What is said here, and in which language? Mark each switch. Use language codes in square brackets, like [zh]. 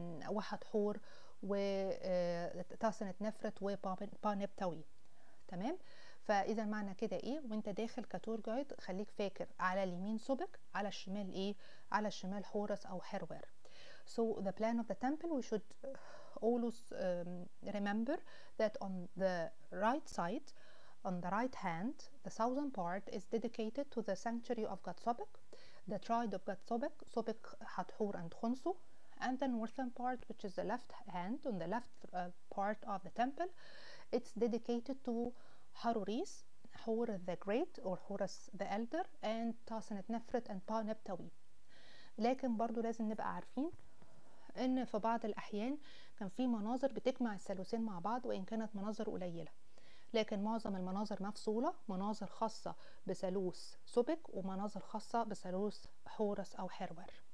[ar] وحتحور وتاسنت نفرت وبانبتوي، تمام؟ فاذا معنى كده ايه وانت داخل كتور جايد، خليك فاكر على اليمين سبك، على الشمال ايه؟ على الشمال حورس او حروير. [en] So the plan of the temple we should always remember that on the right side, on the right hand, the southern part is dedicated to the sanctuary of God Sobek, the tribe of God Sobek, Sobek Hathor and Khonsu. And the northern part, which is the left hand, on the left part of the temple, it's dedicated to Haruris, Hor the Great or Horus the Elder, and Tasenet Nefret and Pa Neptawi. [ar] لكن برضو لازم نبقى عارفين ان في بعض الاحيان كان في مناظر بتجمع الثالوثين مع بعض وان كانت مناظر قليلة، لكن معظم المناظر مفصولة، مناظر خاصة بثالوث سبك ومناظر خاصة بثالوث حورس او حرور.